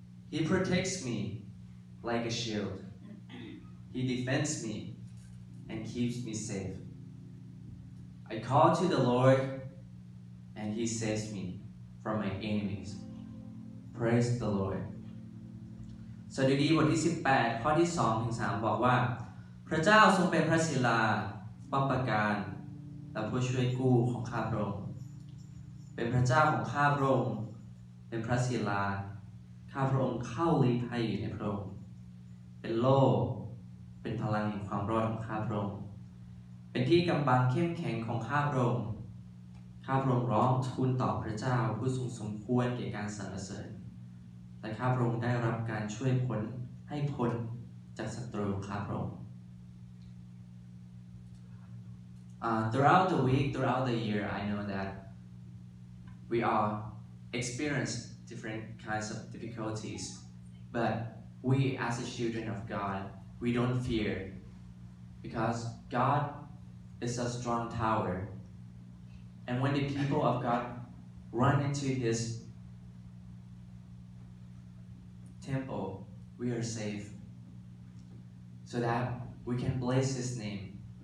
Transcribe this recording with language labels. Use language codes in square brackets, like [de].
[en] He protects me like a shield. He defends me and keeps me safe. I call to the Lord and he saves me from my enemies. Praise the Lord." [th] สดุดีบทที่18ข้อที่2ถึง3บอกว่าพระเจ้าทรงเป็นพระศิลาป้อมปราการและผู้ช่วยกู้ของข้าพระองค์เป็นพระเจ้าของข้าพระองค์เป็นพระศิลาข้าพระองค์เข้าลี้ภัยอยู่ในพระองค์เป็นโล่ เป็นพลังแห่งความรอดของข้าพระองค์เป็นที่กำบังเข้มแข็งของข้าพระองค์ข้าพระองค์ร้องทูลต่อพระเจ้าผู้ทรงสมควรแก่การสรรเสริญและข้าพระองค์ได้รับการช่วยพ้นให้พ้นจากศัตรูข้าพระองค์ [en] Throughout the week, throughout the year, I know that we all experience different kinds of difficulties. But we, as the children of God, we don't fear because God is a strong tower. And when the people of God run into His temple, we are safe so that we can bless His name.